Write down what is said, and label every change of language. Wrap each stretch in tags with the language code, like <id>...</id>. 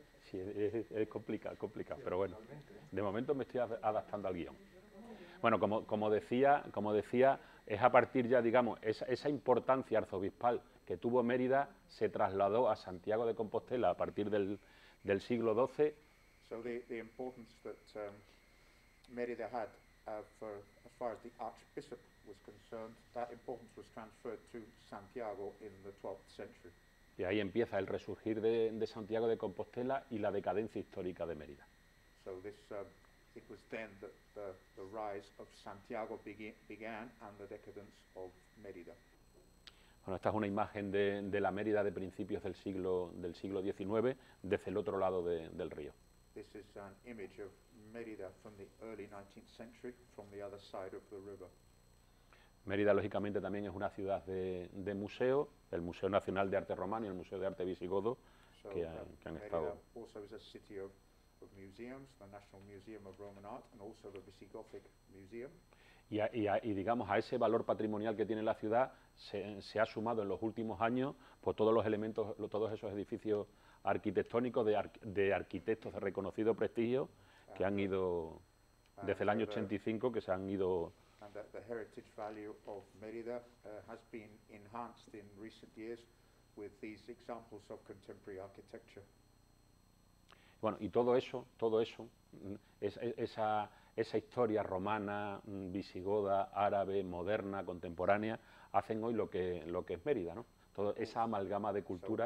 <es>Sí, es complicado, pero bueno, de momento me estoy adaptando al guión. Bueno, como decía, es a partir ya, digamos, esa importancia arzobispal que tuvo Mérida se trasladó a Santiago de Compostela a partir del siglo XII.</es> <en>So the importance that Mérida had for as far as the archbishop was concerned, that importance was transferred to Santiago in the 12th century.</en> <es>Y ahí empieza el resurgir de Santiago de Compostela y la decadencia histórica de Mérida.</es> <en>So this, it was then that the rise of Santiago began and the decadence of Mérida.</en> <es>Bueno, esta es una imagen de la Mérida de principios del siglo XIX, desde el otro lado del río.</es> <en>This is an image of Mérida from the early 19th century, from the other side of the river.</en> <es>Mérida, lógicamente, también es una ciudad de museo, el Museo Nacional de Arte Romano y el Museo de Arte Visigodo, que han estado.</es> <en>Mérida also is a city of museums, the National Museum of Roman Art, and also the Visigothic Museum.</en> <es>Y digamos, a ese valor patrimonial que tiene la ciudad se ha sumado en los últimos años por todos los elementos, todos esos edificios arquitectónicos de arquitectos de reconocido prestigio que han ido desde el año 85, que se han ido.</es> <en>And the heritage value of Mérida has been enhanced in recent years with these examples of contemporary architecture.</en> <es>Bueno, y todo eso, esa historia romana, visigoda, árabe, moderna, contemporánea, hacen hoy lo que es Mérida, ¿no? Toda esa amalgama de cultura.</es>